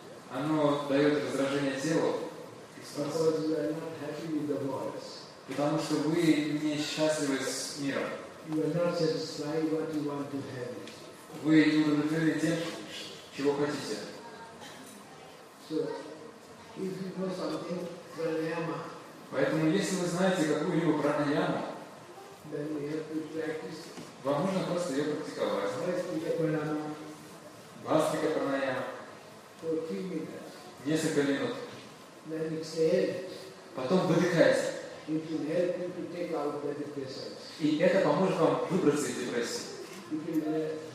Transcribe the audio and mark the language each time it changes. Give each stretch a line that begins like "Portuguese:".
Russian: Оно дает раздражение телу.
English: Because you are not happy with the world.
Russian: Потому что вы не счастливы с миром.
English: You are not satisfied what you want to have.
Russian: Вы не удовлетворены тем, чего хотите.
English: So, if you know something pranayama.
Russian: Поэтому, если вы знаете какую-либо пранаяму,
English: then you have to practice.
Russian: Вам нужно просто ее практиковать. Бхастрика пранаяма. Бхастрика пранаяма.
English: For 3 minutes.
Russian: Несколько минут.
English: Then exhale.
Russian: Потом выдыхайте.
English: It will help you to take out the depression.
Russian: И это поможет вам выбраться из депрессии.